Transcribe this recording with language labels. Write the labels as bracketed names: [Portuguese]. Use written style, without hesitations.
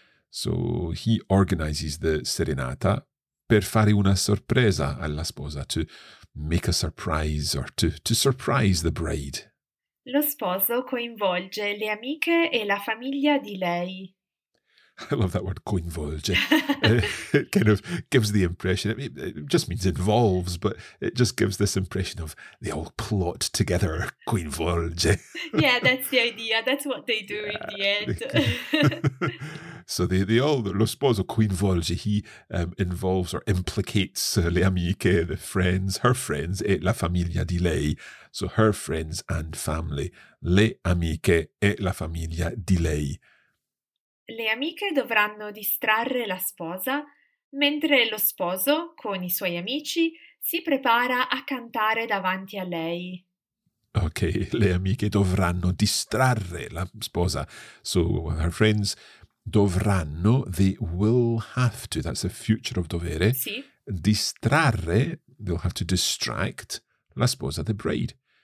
[English] So he organizes the serenata [Italian] per fare una sorpresa alla sposa, [English] to make a surprise or to surprise the bride. [Italian] Lo sposo coinvolge le amiche e la famiglia di lei. [English] I love that word, coinvolge. It kind of gives the impression, I mean, it just means involves, but it just gives this impression of they all plot together, coinvolge. Yeah, that's the idea. That's what they do in the end. So they all, [Italian] lo sposo coinvolge, [English] he involves or implicates [Italian] le amiche, [English] the friends, her friends, [Italian] e la famiglia di lei. [English] So her friends and family, [Italian] le amiche e la famiglia di lei. Le amiche dovranno distrarre la sposa, mentre lo sposo, con i suoi amici, si prepara a cantare davanti a lei. Ok, le amiche dovranno distrarre la sposa. [English] So, her friends dovranno, they will have to, that's the future of dovere, [Italian] sì. [English] Distrarre, they'll have to distract [Italian] la sposa, [English] the bride.